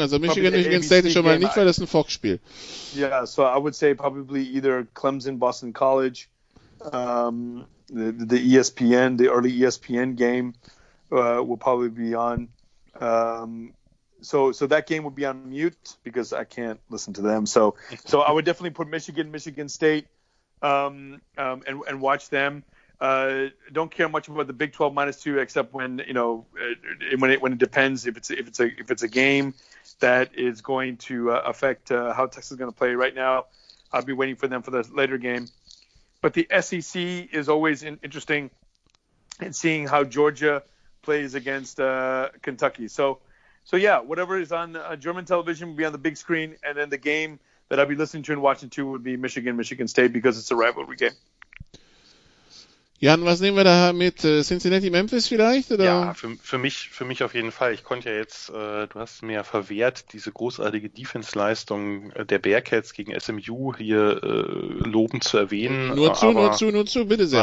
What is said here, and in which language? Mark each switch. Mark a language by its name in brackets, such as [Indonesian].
[German] Also Michigan State ABC ist schon mal nicht, weil das ein Fox-Spiel. [English] Yeah, so I would say probably either Clemson, Boston College, the ESPN, the early ESPN game. Will probably be on. So that game would be on mute because I can't listen to them. So I would definitely put Michigan State, and watch them. Don't care much about the Big 12 minus two, except when you know when it depends if it's a game that is going to affect how Texas is going to play. Right now, I'll be waiting for them for the later game. But the SEC is always interesting in seeing how Georgia plays against Kentucky. So yeah, whatever is on German television will be on the big screen, and then the game that I'll be listening to and watching too would be Michigan State because it's a rivalry game. [German] Jan, was nehmen wir da mit Cincinnati Memphis vielleicht? Oder? Ja, für mich auf jeden Fall. Ich konnte ja jetzt, du hast mir verwehrt, diese großartige Defense-Leistung der Bearcats gegen SMU hier lobend zu erwähnen. Nur zu, bitte sehr.